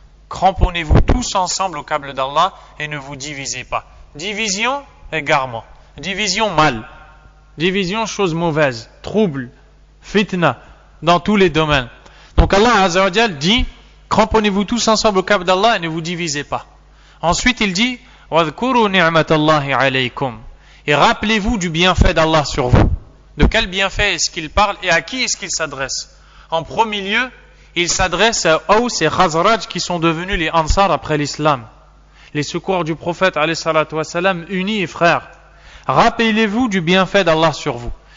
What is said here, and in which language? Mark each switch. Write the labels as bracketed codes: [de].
[fr] Cramponnez-vous tous ensemble au câble d'Allah et ne vous divisez pas. Division, égarement. Division, mal. Division, chose mauvaise. Trouble, fitna, dans tous les domaines. Donc Allah Azza wa Jal dit, cramponnez-vous tous ensemble au câble d'Allah et ne vous divisez pas. Ensuite il dit, [ar] وَذْكُرُوا نِعْمَةَ اللَّهِ عَلَيْكُمْ. [fr] Et rappelez-vous du bienfait d'Allah sur vous. De quel bienfait est-ce qu'il parle et à qui est-ce qu'il s'adresse? En premier lieu, il s'adresse à Aws et Khazraj qui sont devenus les Ansar après l'Islam. Les secours du prophète, alayhi salatu wasalam, unis et frères. Rappelez-vous du bienfait d'Allah sur vous.